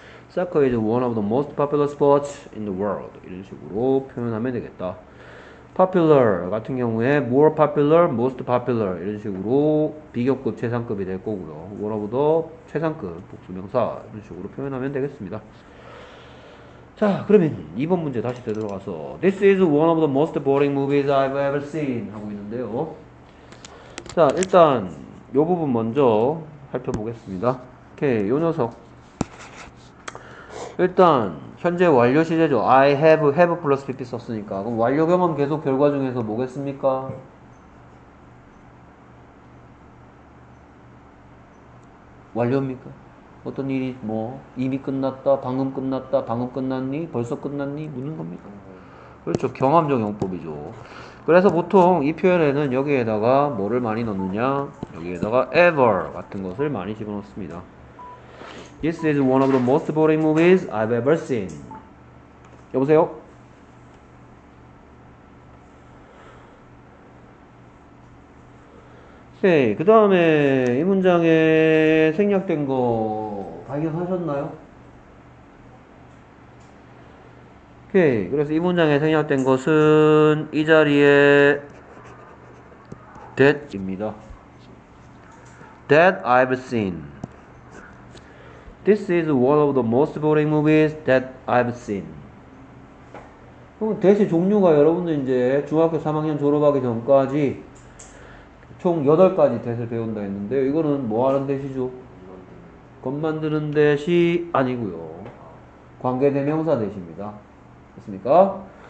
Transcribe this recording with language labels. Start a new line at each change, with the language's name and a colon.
English: Soccer is one of the most popular sports in the world.
Korean: 이런 식으로 표현하면 되겠다.
English: Popular
Korean: 같은 경우에
English: more popular, most popular.
Korean: 이런 식으로 비교급 최상급이 될 거고요.
English: One of the
Korean: 최상급 복수명사. 이런 식으로 표현하면 되겠습니다. 자, 그러면 2번 문제 다시 되돌아가서
English: This is one of the most boring movies I've ever seen
Korean: 하고 있는데요. 자, 일단 요 부분 먼저 살펴보겠습니다. 오케이, 요 녀석. 일단 현재 완료 시제죠.
English: I have
Korean: 플러스 PP 썼으니까. 그럼 완료 경험 계속 결과 중에서 뭐겠습니까? 완료입니까? 어떤 일이 뭐 이미 끝났다, 방금 끝났다, 방금 끝났니, 벌써 끝났니 묻는 겁니까? 그렇죠, 경험적 용법이죠. 그래서 보통 이 표현에는 여기에다가 뭐를 많이 넣느냐, 여기에다가 ever 같은 것을 많이 집어넣습니다.
English: This is one of the most boring movies I've ever seen.
Korean: 여보세요? 네, 그 다음에 이 문장에 생략된 거 발견하셨나요? 오케이, 그래서 이 문장에 생략된 것은 이 자리에 that입니다.
English: That I've seen. This is one of the most boring movies that I've seen.
Korean: 그럼 that의 종류가 여러분들 이제 중학교 3학년 졸업하기 전까지 총 8가지 뎃을 배운다 했는데, 이거는 뭐 하는 뎃이죠? 겁 만드는 뎃이 아니고요. 관계대명사 뎃입니다. 됐습니까?